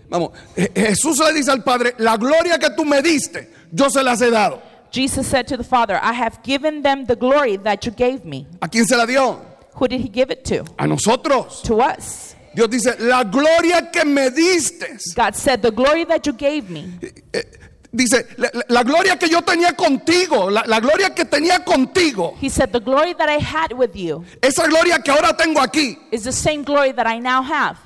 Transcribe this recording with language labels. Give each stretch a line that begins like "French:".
Spanish: Vamos, Jesús le dice al Padre, la gloria que tú me diste, yo se las he dado.
English: Jesus said to the Father, I have given them the glory that you gave me.
Spanish: ¿A quién se la dio?
English: Who did he give it to?
Spanish: A nosotros.
English: To us.
Spanish: Dios dice, la gloria que me diste.
English: God said, the glory that you gave me.
Spanish: Dice, la gloria que yo tenía contigo, la gloria que tenía contigo.
English: He said, the glory that I had with you.
Spanish: Esa gloria que ahora tengo aquí.
English: Is the same glory that I now have.